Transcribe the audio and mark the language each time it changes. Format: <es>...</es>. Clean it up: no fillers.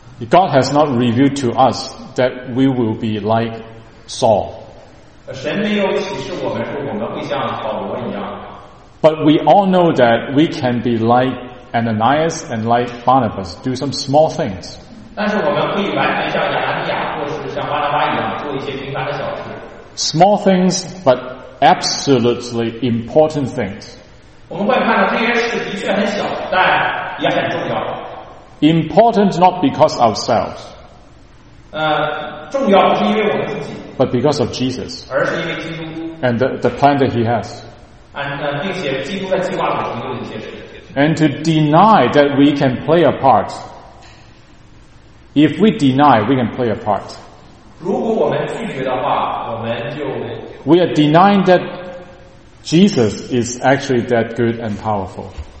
<en>God has not revealed to us that we will be like Saul.</en> <zh>神没有启示我们说我们会像保罗一样。</zh> <en>But we all know that we can be like Ananias and like Barnabas, do some small things.</en> <zh>但是我们可以完全像亚拿尼亚或是像巴拿巴一样做一些平凡的小事。</zh> <en>Small things, but absolutely important things.</en> <zh>我们会看到这些事的确很小，但也很重要。</zh> <en>Important not because ourselves.</en> <zh>重要不是因为我们自己。</zh> <en>But because of Jesus.</en> <zh>而是因为基督。</zh> <en>And the plan that he has. And to deny that we can play a part. If we deny, we can play a part.</en> <zh>如果我们拒绝的话,</zh> <en>we are denying that Jesus is actually that good and powerful.</en>